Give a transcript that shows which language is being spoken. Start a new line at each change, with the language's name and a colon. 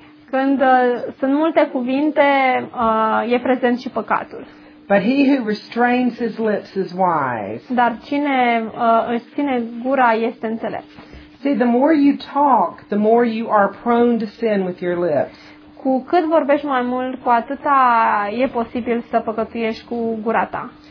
Romanian: Când sunt multe cuvinte, e prezent și păcatul.
English: But he who restrains his lips is wise.
Romanian: Dar cine își ține gura este înțelept.
English: See, the more you talk, the more you are prone to sin with your lips.
Romanian: Cu cât vorbești mai mult, cu atâta e posibil să păcătuiești cu gura ta.